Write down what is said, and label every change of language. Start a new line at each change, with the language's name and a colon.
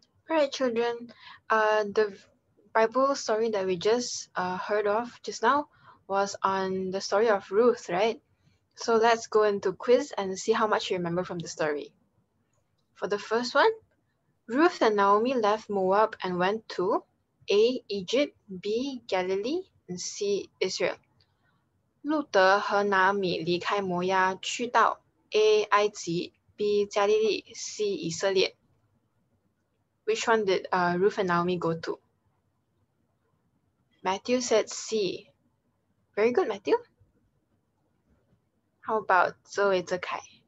English: All right, children, the Bible story that we just heard of just now was on the story of Ruth, right? So let's go into quiz and see how much you remember from the story. For the first one, Ruth and Naomi left Moab and went to A. Egypt, B. Galilee, and C. Israel.
Chinese: 路德和拿米离开摩押去到 A. 埃及 B. 加利利 C. 以色列。
English: Which one did Ruth and Naomi go to? Matthew said C. Very good, Matthew. How about 周围泽凯？